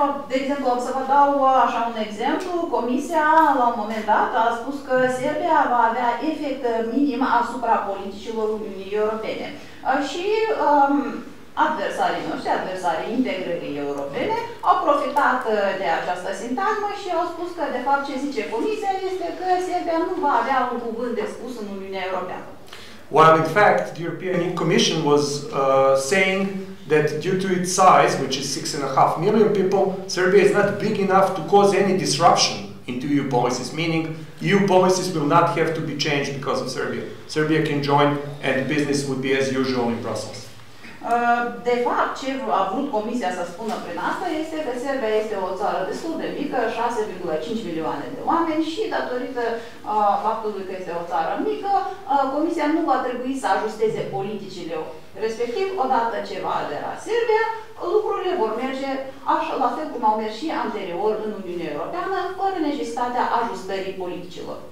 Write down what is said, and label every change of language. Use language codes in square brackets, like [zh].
[ro] De exemplu, să vă dau așa un exemplu, Comisia la un moment dat a spus că Serbia va avea efect minim asupra politicilor Uniunii Europene. Adversarii integrării europene au profitat de această sintagmă și au spus că de fapt ce zice Comisia este că Serbia nu va avea un cuvânt de spus în Uniunea Europeană. [en] While in fact the European Commission was saying that due to its size, which is 6.5 million people, Serbia is not big enough to cause any disruption into EU policies, meaning EU policies will not have to be changed because of Serbia. Serbia can join and business would be as usual in Brussels. [ro] De fapt, ce a vrut Comisia să spună prin asta este că Serbia este o țară destul de mică, 6,5 milioane de oameni și datorită faptului că este o țară mică, Comisia nu va trebui să ajusteze politicile. Respectiv, odată ce va adera Serbia, lucrurile vor merge așa, la fel cum au mers și anterior în Uniunea Europeană, fără necesitatea ajustării politicilor.